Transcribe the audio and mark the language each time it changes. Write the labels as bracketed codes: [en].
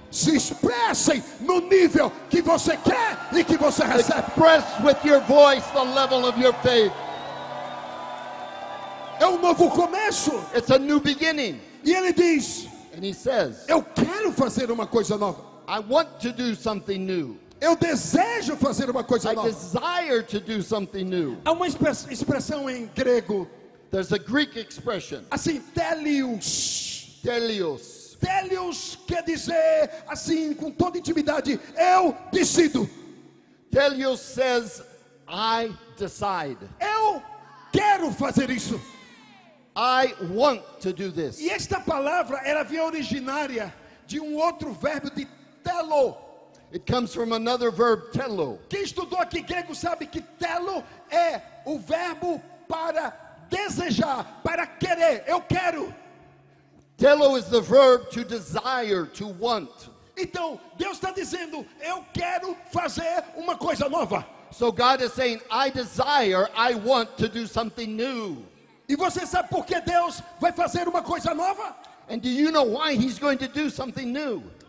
[pt] Se expressem no nível que você quer e que você recebe. [en] Express with your voice the level of your faith. [pt] É novo começo. [en] It's a new beginning. [pt] E ele diz, [en] and he says, [pt] eu quero fazer uma coisa nova. [en] I want to do something new. [pt] Eu desejo fazer uma coisa [en] I [pt] nova. [en] I desire to do something new. [pt] Há uma expressão em grego. [en] There's a Greek expression. [pt] Assim, telios. [en] Telios. [pt] Telios quer dizer, assim, com toda intimidade, eu decido. [en] Telios says, I decide. [pt] Eu quero fazer isso. [en] I want to do this. [pt] E esta palavra ela vem originária de outro verbo de telo. [en] It comes from another verb telo. [pt] Quem estudou aqui grego sabe que telo é o verbo para desejar, para querer. Eu quero. [en] Telo is the verb to desire, to want. [pt] Então, Deus está dizendo, eu quero fazer uma coisa nova. [en] So God is saying, I desire, I want to do something new. [pt] E você sabe por que Deus vai fazer uma coisa nova? [en] And do you know why he's going to do something new?